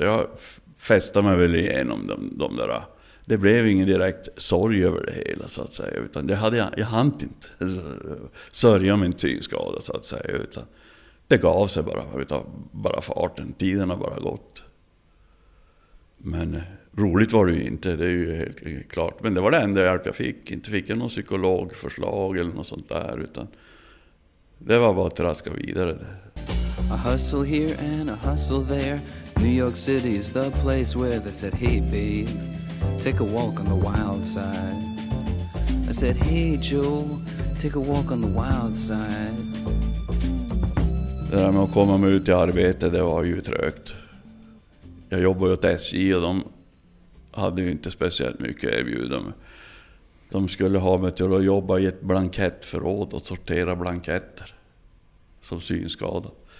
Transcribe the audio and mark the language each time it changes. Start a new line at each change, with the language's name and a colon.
Swedish: Jag festade mig väl igenom de där. Det blev ingen direkt sorg över det hela, så att säga, utan det hade jag hann inte sörja min synskada, så att säga, utan det gav sig bara farten, tiden har bara gått. Men roligt var det ju inte, det är ju helt klart. Men det var det enda hjälp jag fick. Inte fick jag någon psykologförslag eller något sånt där, utan det var bara att traska vidare.
English: A hustle here and a hustle there. New York City is the place where they said, hey babe, take a walk on the wild side. I said, hey Joe, take a walk on the wild side.
Swedish: Det där med att komma ut i arbete, det var ju trögt. Jag jobbade åt SJ och de hade ju inte speciellt mycket erbjudande. De skulle ha mig till att jobba i ett blankettförråd och sortera blanketter som synskadad.